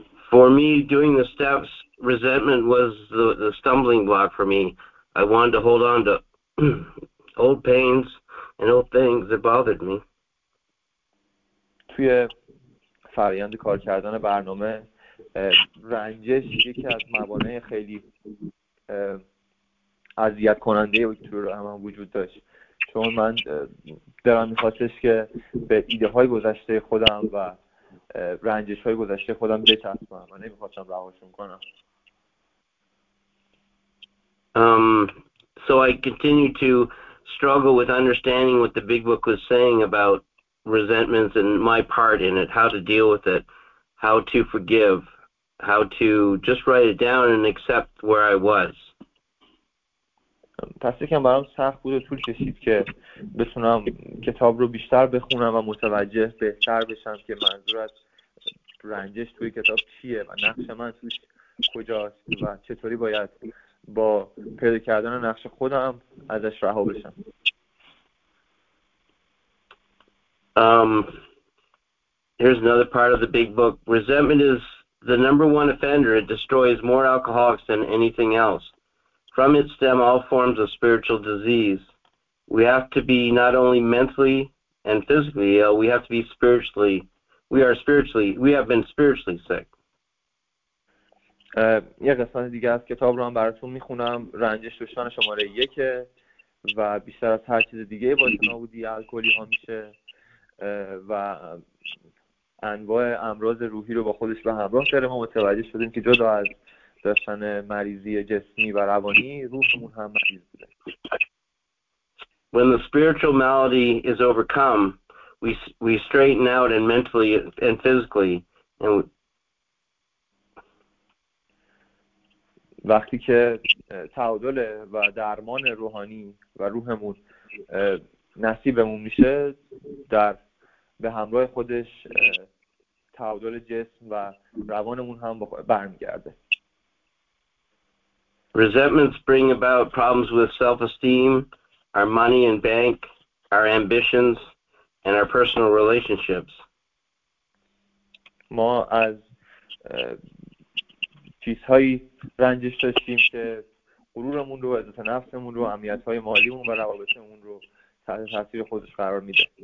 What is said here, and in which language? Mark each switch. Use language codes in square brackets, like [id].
[en] For me, doing the steps, resentment was the stumbling block for me. I wanted to hold on to old pains and old things that bothered me. [fa] توی فرآیند کار کردن برنامه، رنجش یکی از موانع خیلی اذیت کننده توی راه من وجود داشت، چون من دلم میخواستش که به ایده های گذشته خودم و رنجش های گذشته خودم بچسبم و نمیخواستم رهاشون کنم. [en] So I continued to struggle with understanding what the big book was saying about resentments and my part in it, how to deal with it, how to forgive, how to just write it down and accept where I was. [fa] پس یکم برام سخت بود و طول کشید که بتونم کتاب رو بیشتر بخونم و متوجه بهتر بشم که منظور از رنجش توی کتاب چیه و نقش من توش کجاست و چطوری باید با پیدا کردن نقش خودم ازش رها بشم. [en] Here's another part of the big book. Resentment is the number one offender. It destroys more alcoholics than anything else. From its stem all forms of spiritual disease. We have to be not only mentally and physically ill, we have to be spiritually. We have been spiritually sick. [fa] یه قسمت دیگه از کتاب رو هم براتون میخونم. رنجش دشمن شماره 1 و بیشتر از هر چیز دیگه باعث نابودی الکلی ها میشه و انواع امراض روحی رو با خودش به همراه داره. ما متوجه شدیم که جدا از داشتن مریضی جسمی و روانی، روحمون هم مریض بوده. [en] When the spiritual malady is overcome, we straighten out and mentally and physically. [fa] وقتی که تعادل و درمان روحانی و روحمون نصیبمون میشه، در به همراه خودش تعادل جسم و روانمون هم برمیگرده. [en] Resentments bring about problems with self-esteem, our money and bank, our ambitions, and our personal relationships. [fa] ما از چیزهایی رنجش داشتیم که غرورمون رو، عزت نفسمون رو، امنیت‌های مالیمون و روابطمون رو تحت تاثیر خودش قرار میده.